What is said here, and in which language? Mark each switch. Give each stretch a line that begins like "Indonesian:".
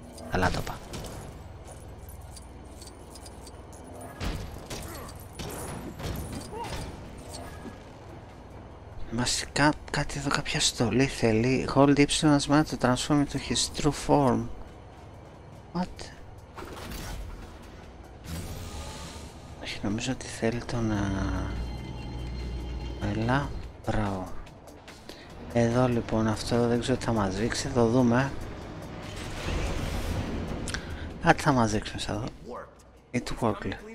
Greek: Καλά το είπα. Βασικά κάτι εδώ, κάποια στολή θέλει.
English: Hold Y as much to transform into his true form. What?
Greek: Όχι, νομίζω ότι θέλει τον έλα, μπράβο. Εδώ λοιπόν, αυτό δεν ξέρω τι θα μας δείξει, το δούμε. Κάτι θα μας δείξουμε σε εδώ.
English: It worked.